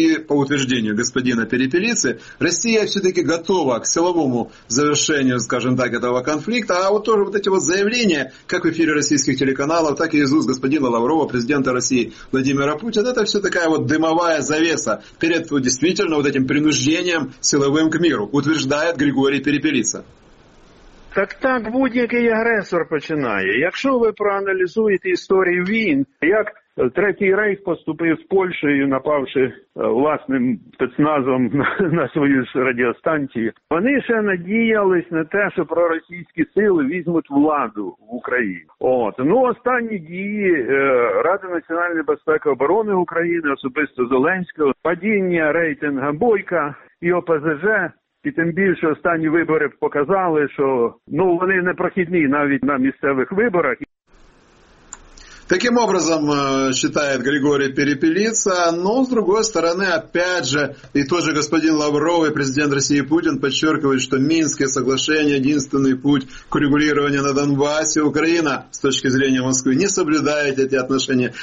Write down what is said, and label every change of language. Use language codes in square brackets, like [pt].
[ru] И по утверждению господина Перепелицы, Россия все-таки готова к силовому завершению, скажем так, этого конфликта. А вот тоже вот эти вот заявления, как в эфире российских телеканалов, так и из уст господина Лаврова, президента России Владимира Путина, это все такая вот дымовая завеса перед действительно вот этим принуждением силовым к миру, утверждает Григорий Перепелица. [uk] Так будь-який агресор починає. Якщо ви проаналізуєте історію війн, як Третій Рейх поступив з Польщею, напавши власним спецназом на свою ж радіостанцію, вони ще надіялись на те, що проросійські сили візьмуть владу в Україні. От. Ну, останні дії Ради національної безпеки і оборони України, особисто Зеленського, падіння рейтинга Бойка і ОПЗЖ, і тим більше останні вибори показали, що, ну, вони непрохідні навіть на місцевих виборах. [ru] Таким образом, считает Григорий Перепелица, но, с другой стороны, опять же, и тот же господин Лавров и президент России Путин подчеркивают, что Минское соглашение – единственный путь к урегулированию на Донбассе. Украина, с точки зрения Москвы, не соблюдает эти отношения.